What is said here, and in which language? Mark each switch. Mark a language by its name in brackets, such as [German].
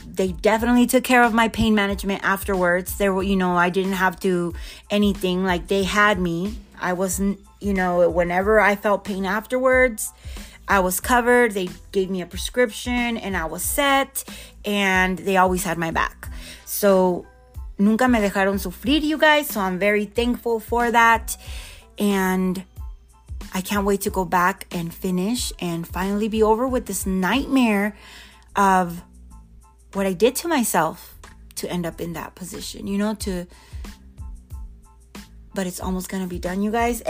[English] They definitely took care of my pain management afterwards. There were, you know, I didn't have to anything. Like, they had me. I wasn't, you know, whenever I felt pain afterwards, I was covered. They gave me a prescription and I was set, and they always had my back. [Spanish] So nunca me dejaron sufrir, [English] you guys. So I'm very thankful for that. And I can't wait to go back and finish and finally be over with this nightmare of what I did to myself to end up in that position, you know, to, but it's almost going to be done, you guys.